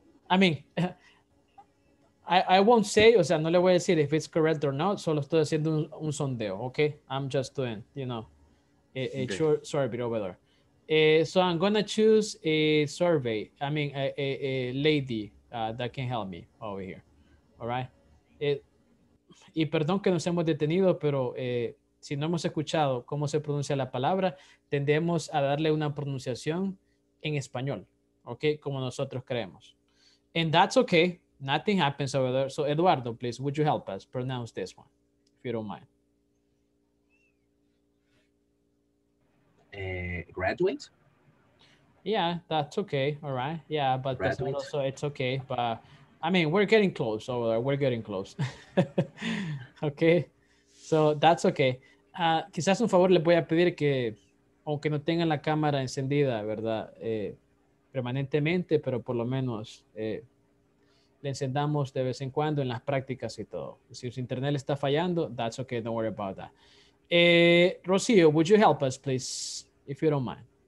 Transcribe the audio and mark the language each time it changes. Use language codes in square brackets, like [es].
[en] I mean, I won't say, [es] o sea, no le voy a decir [en] if it's correct or not, [es] solo estoy haciendo un sondeo, okay? [en] I'm just doing, you know, a short survey over there. So I'm going to choose a survey, I mean, a lady that can help me over here, all right? [es] Y perdón que nos hemos detenido, pero si no hemos escuchado cómo se pronuncia la palabra, tendemos a darle una pronunciación en español, [en] ¿ok? [es] Como nosotros creemos. [en] And that's okay. Nothing happens over there. So, Eduardo, please, would you help us pronounce this one, if you don't mind? Graduate? Yeah, that's okay. All right. Yeah, but this one also, it's okay. But, I mean, we're getting close over there. We're getting close. Okay. So, that's okay. [es] Quizás un favor les voy a pedir que, aunque no tengan la cámara encendida, ¿verdad? Permanentemente, pero por lo menos le encendamos de vez en cuando en las prácticas y todo. Si su internet está fallando, [en] that's okay, don't worry about that. Rocío, would you help us, please, if you don't mind?